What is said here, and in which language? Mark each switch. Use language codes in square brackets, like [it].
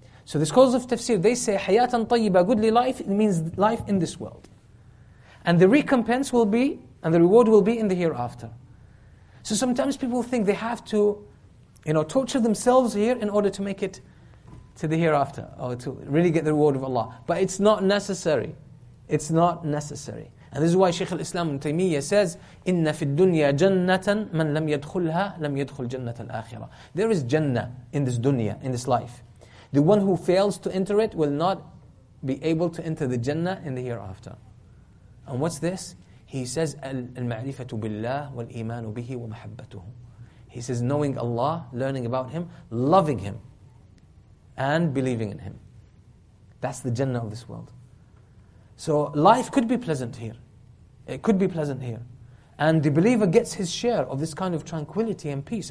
[en] So the scholars of tafsir, they say, [ar] حَيَاةً طَيِّبًا, [en] goodly life, it means life in this world. And the recompense will be, and the reward will be in the hereafter. So sometimes people think they have to, you know, torture themselves here in order to make it to the hereafter, or to really get the reward of Allah. But it's not necessary. It's not necessary. And this is why Shaykh al-Islam ibn Taymiyyah says, [ar] إِنَّ فِي الدُّنْيَا جَنَّةً مَنْ لَمْ يَدْخُلْهَا لَمْ يَدْخُلْ جَنَّةَ الْآخِرَةِ. [en] There is Jannah in this dunya, in this life. The one who fails to enter it will not be able to enter the Jannah in the hereafter. And what's this? He says, [ar] الْمَعْرِفَةُ بِاللَّهِ وَالْإِيمَانُ بِهِ وَمَحَبَّتُهُ. [en] He says, knowing Allah, learning about Him, loving Him, and believing in Him. That's the Jannah of this world. So life could be pleasant here. It could be pleasant here. And the believer gets his share of this kind of tranquility and peace.